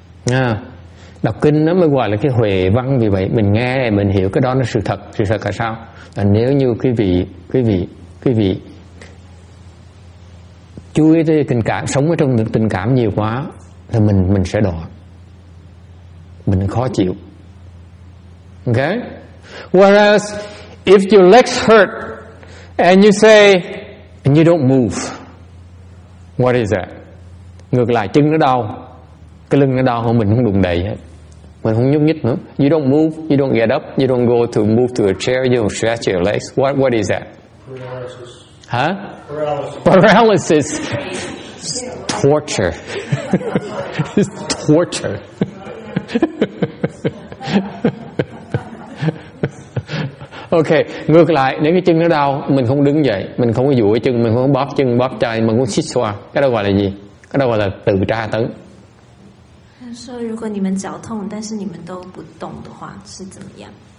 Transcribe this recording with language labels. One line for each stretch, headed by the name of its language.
Vietnamese: À, đọc kinh nó mới gọi là cái huệ văn, vì vậy mình nghe, mình hiểu cái đó nó sự thật là sao? Là nếu như quý vị chú ý tới tình cảm, sống ở trong tình cảm nhiều quá thì mình sẽ đọa, mình khó chịu.
English: Okay? Whereas if your legs hurt and you don't move, what is that?
Vietnamese: Ngược lại, chân nó đau, cái lưng nó đau, không, mình không đụng đậy hết, mình không nhúc nhích nữa.
English: You don't move, you don't get up, you don't go to move to a chair, you don't stretch your legs. What is that? Paralysis. Huh? Paralysis. Paralysis. It's torture. It's torture.
Vietnamese: Okay, ngược lại, nếu cái chân nó đau, mình không đứng dậy, mình không có duỗi chân, mình không có bóp chân, bóp chân, mình không có xích xoa. Cái đó gọi là gì? Cái đó gọi là tự tra tấn.
Chinese: 说如果你们脚痛，但是你们都不动的话，是怎么样？